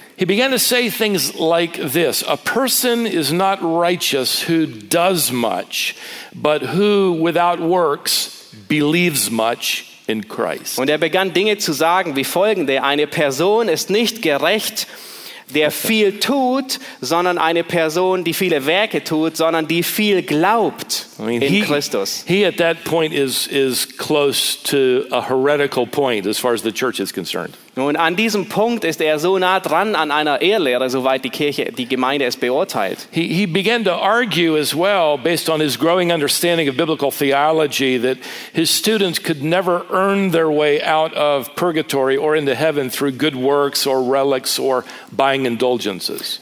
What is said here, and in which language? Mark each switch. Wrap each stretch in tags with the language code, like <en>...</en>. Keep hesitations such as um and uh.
<en>He began to say things like this, person is not righteous who does much, but who without works believes much. In Christ.</en> <de>Und er begann Dinge zu sagen wie folgende: Eine Person ist nicht gerecht, Okay. der viel tut, sondern eine Person, die viele Werke tut, sondern die viel glaubt</de> <en>I mean, in he,</en> <de>Christus.</de> <en>he at that point is, is close to a heretical point as far as the church is concerned.</en> <de>Und an diesem Punkt ist er so nah dran an einer Ehrlehre, soweit die Kirche, die Gemeinde es beurteilt.</de> <en>He, he began to argue as well, based on his growing understanding of biblical theology, that his students could never earn their way out of purgatory or into heaven through good works or relics or buying indulgences.</en>